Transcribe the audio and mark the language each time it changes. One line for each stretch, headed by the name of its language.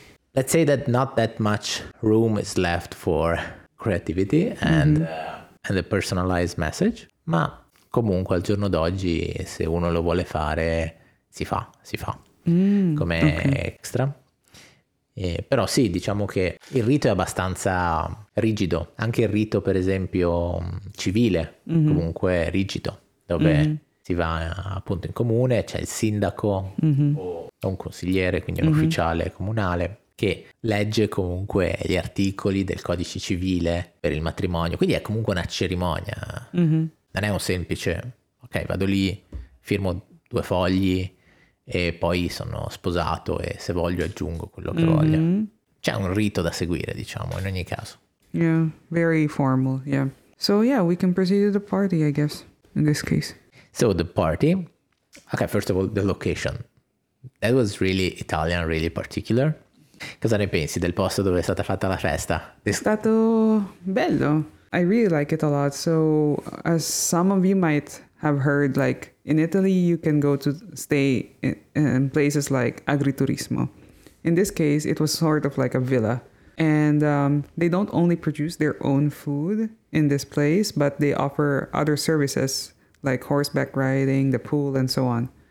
English: Let's say that not that much room is left for creativity and the personalized message.
Italian: Ma comunque al giorno d'oggi, se uno lo vuole fare, si fa. Come extra. Però sì, diciamo che il rito è abbastanza rigido. Anche il rito, per esempio, civile, comunque è rigido, dove... Mm-hmm. Si va appunto in comune, c'è il sindaco o un consigliere, quindi un ufficiale comunale, che legge comunque gli articoli del codice civile per il matrimonio. Quindi è comunque una cerimonia. Non è un semplice, ok, vado lì, firmo due fogli e poi sono sposato e se voglio aggiungo quello che voglio. C'è un rito da seguire, diciamo, in ogni caso.
English: Yeah, very formal, yeah. So yeah, we can proceed to the party, I guess, in this case. So the party, okay, first of all, the location. That was really Italian, really particular.
Italian: Cosa ne pensi del posto dove è stata fatta la festa? È stato bello.
English: I really like it a lot. So as some of you might have heard, like in Italy, you can go to stay in places like Agriturismo. In this case, it was sort of like a villa. And they don't only produce their own food in this place, but they offer other services like horseback riding, the pool, and so on.